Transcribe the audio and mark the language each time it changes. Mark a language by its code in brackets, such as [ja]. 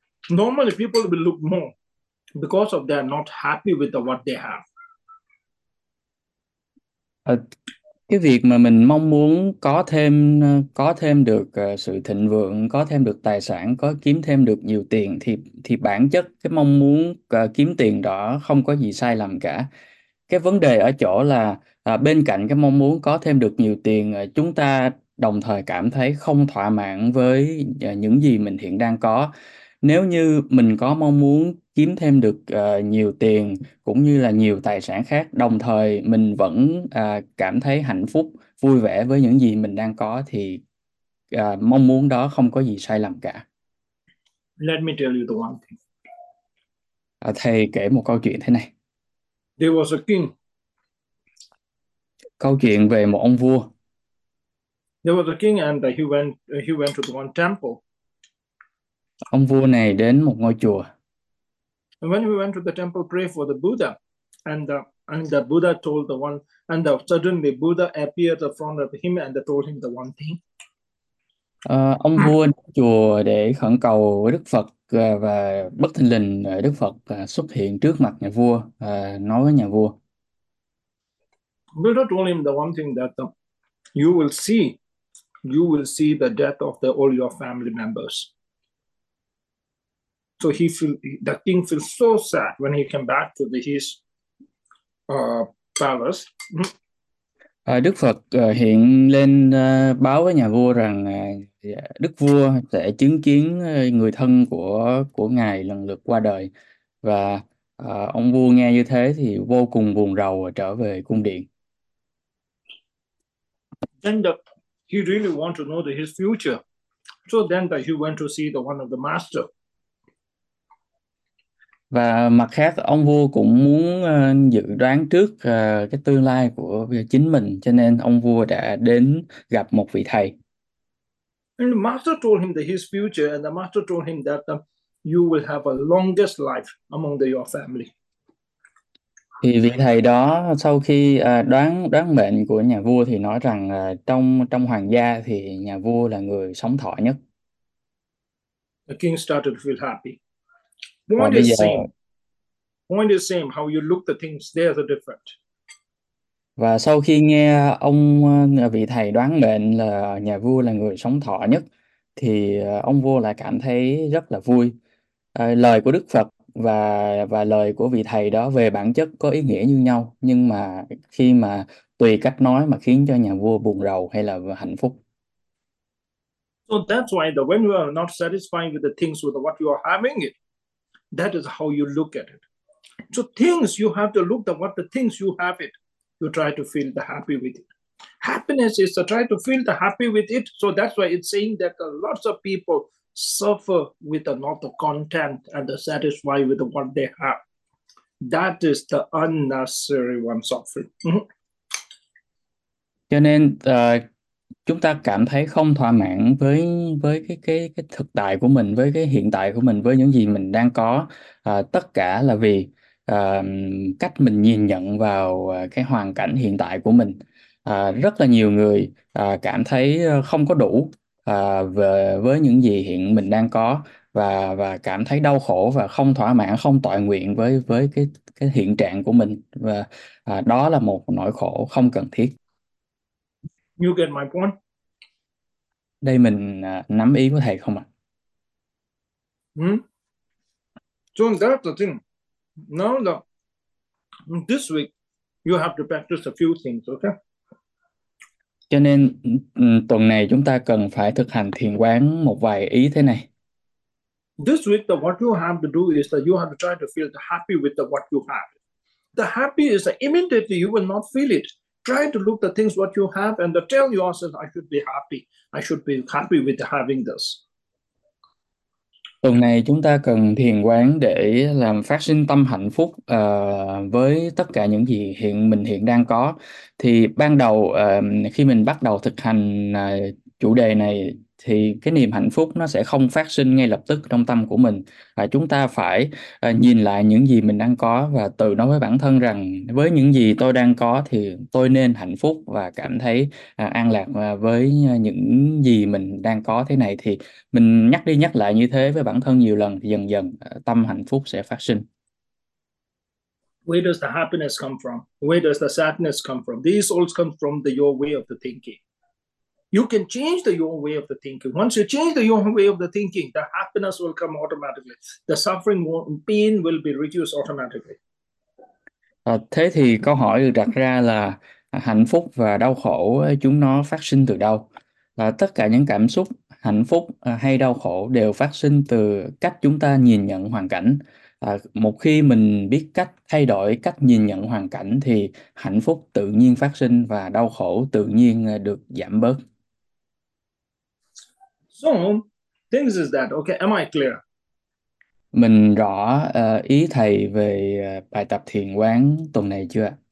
[en] Normally, people will look more because of they're not happy with what they have. [vi] Cái việc mà mình mong muốn có thêm được sự thịnh vượng, có thêm được tài sản, có kiếm thêm được nhiều tiền thì bản chất cái mong muốn kiếm tiền đó không có gì sai lầm cả. Cái vấn đề ở chỗ là bên cạnh cái mong muốn có thêm được nhiều tiền, chúng ta đồng thời cảm thấy không thỏa mãn với những gì mình hiện đang có. Nếu như mình có mong muốn kiếm thêm được nhiều tiền cũng như là nhiều tài sản khác, đồng thời mình vẫn cảm thấy hạnh phúc, vui vẻ với những gì mình đang có thì mong muốn đó không có gì sai lầm cả. [en] Let me tell you the one thing. [vi] Thầy kể một câu chuyện thế này. [en] There was a king. [vi] Câu chuyện về một ông vua. [en] There was a king and he went to the one temple. [vi] Ông vua này đến một ngôi chùa. [en] And when he went to the temple pray for the Buddha, and the Buddha told the one, and the, suddenly Buddha appeared in front of him and told him the one thing. [vi] Ông vua đến chùa để khẩn cầu với Đức Phật, và bất thình lình Đức Phật xuất hiện trước mặt nhà vua, nói với nhà vua. [en] Buddha told him the one thing that you will see the death of the, all your family members. So he feel, the king feels so sad when he came back to his palace. [vi] Đức Phật hiện lên báo với nhà vua rằng Đức vua sẽ chứng kiến người thân của ngài lần lượt qua đời, và ông vua nghe như thế thì vô cùng buồn rầu và trở về cung điện. [en] Then he really want to know his future. So then that he went to see the one of the master. [vi] Và mặt khác ông vua cũng muốn dự đoán trước cái tương lai của chính mình, cho nên ông vua đã đến gặp một vị thầy. [en] And the master told him that his future, and the master told him that you will have a longest life among your family. [vi] Thì vị thầy đó sau khi đoán đoán mệnh của nhà vua thì nói rằng trong trong hoàng gia thì nhà vua là người sống thọ nhất. [en] The king started to feel happy. [vi] Và [en] Point [vi] bây [en] is [vi] giờ [en] same. Point is same. How you look the things, they are different. [vi] Và sau khi nghe ông vị thầy đoán mệnh là nhà vua là người sống thọ nhất thì ông vua lại cảm thấy rất là vui. Lời của Đức Phật và lời của vị thầy đó về bản chất có ý nghĩa như nhau, nhưng mà khi mà tùy cách nói mà khiến cho nhà vua buồn rầu hay là hạnh phúc. [en] So that's why the when you are not satisfied with the things with what you are having it, that is how you look at it. So things you have to look at what the things you have it, you try to feel the happy with it. Happiness is to try to feel the happy with it. So that's why it's saying that lots of people suffer with the not the content and the satisfied with what they have. That is the unnecessary one suffering. [vi] Cho nên chúng ta cảm thấy không thỏa mãn với cái thực tại của mình, với cái hiện tại của mình, với những gì mình đang có, tất cả là vì cách mình nhìn nhận vào cái hoàn cảnh hiện tại của mình. Rất là nhiều người cảm thấy không có đủ với những gì hiện mình đang có và cảm thấy đau khổ và không thỏa mãn, không tội nguyện với cái hiện trạng của mình, và đó là một nỗi khổ không cần thiết. [en] You get my point? [vi] Đây mình nắm ý của thầy không ạ? [en] So that's the thing. Now look, this week you have to practice a few things, okay? [vi] Cho nên tuần này chúng ta cần phải thực hành thiền quán một vài ý thế này. [en] This week the what you have to do is that you have to try to feel the happy with the what you have. The happy is that immediately you will not feel it. Try to look the things what you have and tell yourself, I should be happy. I should be happy with having this. [vi] Tuần này chúng ta cần thiền quán để làm phát sinh tâm hạnh phúc với tất cả những gì hiện đang có. Thì ban đầu khi mình bắt đầu thực hành chủ đề này thì cái niềm hạnh phúc nó sẽ không phát sinh ngay lập tức trong tâm của mình. Chúng ta phải nhìn lại những gì mình đang có và tự nói với bản thân rằng với những gì tôi đang có thì tôi nên hạnh phúc và cảm thấy an lạc với những gì mình đang có thế này. Thì mình nhắc đi nhắc lại như thế với bản thân nhiều lần thì dần dần tâm hạnh phúc sẽ phát sinh. [en] Where does the happiness come from? Where does the sadness come from? These all come from your way of the thinking. You can change your way of the thinking. Once you change your way of the thinking, the happiness will come automatically. The suffering and pain will be reduced automatically. [vi] Thế thì câu hỏi được đặt ra là hạnh phúc và đau khổ chúng nó phát sinh từ đâu? Là tất cả những cảm xúc hạnh phúc hay đau khổ đều phát sinh từ cách chúng ta nhìn nhận hoàn cảnh. Một khi mình biết cách thay đổi cách nhìn nhận hoàn cảnh thì hạnh phúc tự nhiên phát sinh và đau khổ tự nhiên được giảm bớt. [en] So, things is that, okay, am I clear? [vi] Mình rõ ý thầy về bài tập thiền quán tuần này chưa?